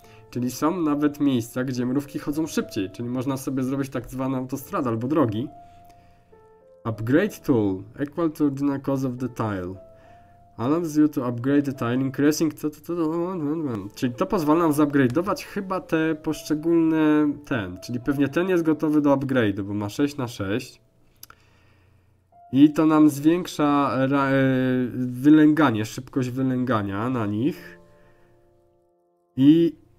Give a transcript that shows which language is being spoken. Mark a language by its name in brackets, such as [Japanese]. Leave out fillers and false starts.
[Polish] Czyli są nawet miejsca, gdzie mrówki chodzą szybciej. Czyli można sobie zrobić tak zwane autostrada albo drogi. [English] Upgrade tool. Equal to the cause of the tile. Allows you to upgrade the tile. Increasing. [Polish] Czyli to pozwala nam zupgrade'ować chyba te poszczególne. Ten. Czyli pewnie ten jest gotowy do upgrade'u, bo ma 6 na 6. I to nam zwiększa wylęganie, szybkość wylęgania na nich. I.